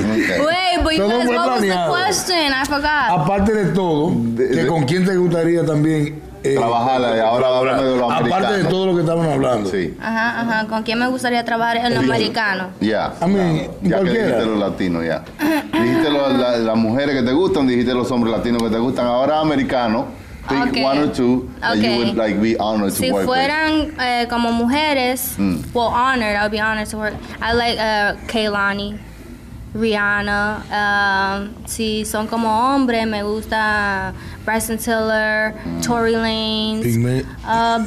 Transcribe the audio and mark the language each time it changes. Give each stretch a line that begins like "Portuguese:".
English: Wait, but you guys, what was the question? I forgot.
Spanish: Aparte de todo, que con quién te gustaría también... trabajar, ahora hablando de los americanos. Aparte de todo lo que estaban hablando. Sí. Ajá, ajá. ¿Con quién me gustaría trabajar? En los americanos. Ya. A mí, cualquiera. Dijiste los latinos, ya. Dijiste las mujeres que te gustan, dijiste los hombres latinos que te gustan. Ahora americanos.
English: I'd be honored to work with Kehlani, Rihanna.
Spanish: Si son como hombres, me gusta Bryson Tiller, Tory Lanez,